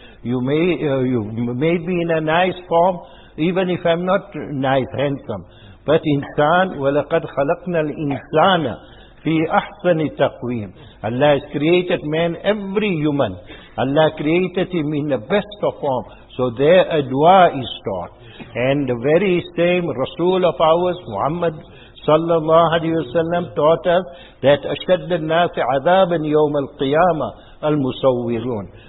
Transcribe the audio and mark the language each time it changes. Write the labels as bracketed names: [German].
[English] You made me in a nice form, even if I'm not nice, handsome. [Arabic] But insan, وَلَقَدْ خَلَقْنَا الْإِنسَانَ فِي أَحْسَنِ تَقْوِيمٍ. [English] Allah has created man, every human. Allah created him in the best of form. So there a dua is taught. And the very same Rasul of ours, Muhammad sallallahu alayhi wa sallam, taught us that [Arabic] أَشَدَّ النَّاسِ عَذَابًا يَوْمَ الْقِيَامَةِ الْمُسَوِّرُونَ.